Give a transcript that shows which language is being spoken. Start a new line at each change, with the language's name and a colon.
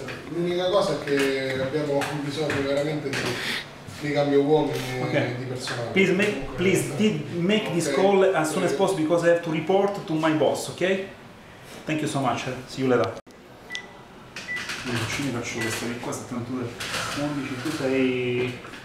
Italian: L'unica cosa è che abbiamo bisogno veramente di cambio uomini, okay, e di personale.
English: Please make, make this call as soon as possible because I have to report to my boss, okay? Thank you so much, see you later.
Italian: Non ci faccio questa che qua, 72.11, tu sei...